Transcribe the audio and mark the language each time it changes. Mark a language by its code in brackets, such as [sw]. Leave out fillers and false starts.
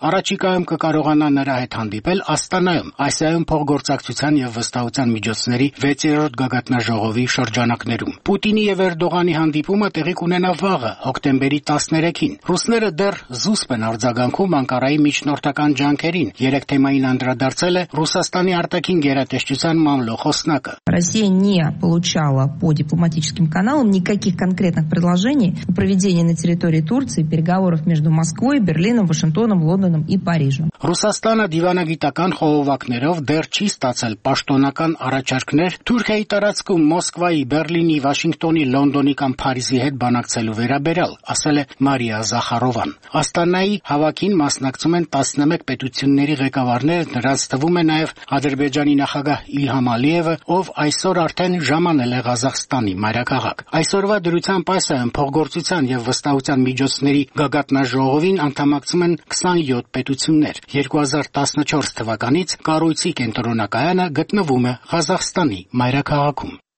[hy] առաջիկայում կկարողանա նրա հետ հանդիպել Աստանայում, Ասիայում փոխգործակցության եւ վստահության միջոցների 6-րդ գագաթնաժողովի շրջանակներում։ Պուտինի եւ Էրդողանի հանդիպումը տեղի կունենա վաղը, հոկտեմբերի 13-ին։ Ռուսները դեռ զուսպ են արձագանքում Անկարայի միջնորդական ջանքերին։ Երեք թեմային անդրադարձել է Ռուսաստանի արտաքին գերատեսչության մամլոխոսնակը։ [ru] Россия не получала по дипломатическим каналам никаких конкретных предложений о проведении на территории Турции переговоров между Москвой, Берлином, Вашингтоном, Лондоном и Парижем. [hy] Ռուսաստանը դիվանագիտական խոհովակներով դեռ չի ստացել պաշտոնական առաջարկներ Թուրքիայի տարածքում Մոսկվայի, Բերլինի, Վաշինգտոնի, Լոնդոնի կամ Փարիզի հետ բանակցելու վերաբերյալ, ասել է Մարիա Զախարովան։ Աստանայի հավաքին մասնակցում են 11 պետությունների ղեկավարներ, նրանց թվում է նաև Ադրբեջանի նախագահ Իլհամ Ալիևը, ով այսօր արդեն ժամանել է Ղազախստանի մայրաքաղաք։ Այսօրվա դրությամբ այս փողորցության եւ վստահության միջոցների գագաթնաժողովին անդամակցում են 27 պետություններ։ 2014 թվականից կառույցի կենտրոնակայանը գտնվում է Ղազախստանի մայրաքաղաքում։